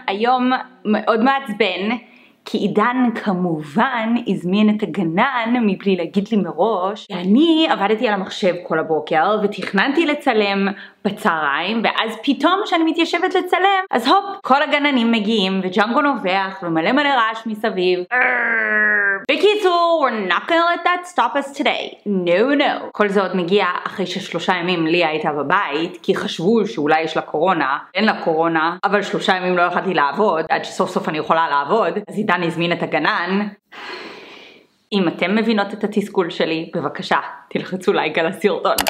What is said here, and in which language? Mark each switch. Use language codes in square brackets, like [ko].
[he] היום מאוד מעצבן, כי עידן כמובן הזמין את הגנן מבלי להגיד לי מראש. אני עבדתי על המחשב כל הבוקר ותכננתי לצלם בצהריים, ואז פתאום שאני מתיישבת לצלם, אז הופ, כל הגננים מגיעים וג'אנגו נובח ומלא מלא רעש מסביב. בקיצור, [en] we're not gonna let that stop us today. No, no. [he] כל זה עוד מגיע אחרי ששלושה ימים לי הייתה בבית, כי חשבו שאולי יש לה קורונה, אין לה קורונה, אבל שלושה ימים לא יכלתי לעבוד, עד שסוף סוף אני יכולה לעבוד, אז עידן הזמין את הגנן. אם אתם מבינות את התסכול שלי, בבקשה, תלחצו לייק על הסרטון.